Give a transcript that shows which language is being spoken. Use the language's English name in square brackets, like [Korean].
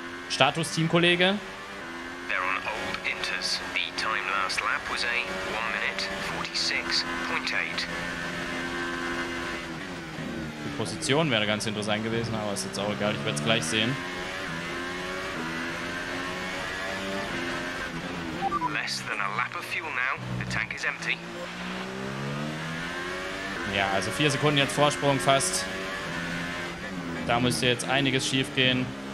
[German] Status Teamkollege. [English] They're on old inters. The time last lap was a 1:46.8. [German] Die Position wäre ganz interessant gewesen, aber ist jetzt auch egal, ich werde es gleich sehen. [English] Less than a lap of fuel now. The tank is empty. [German] Ja, also 4 Sekunden jetzt Vorsprung fast. Da müsste jetzt einiges schief gehen.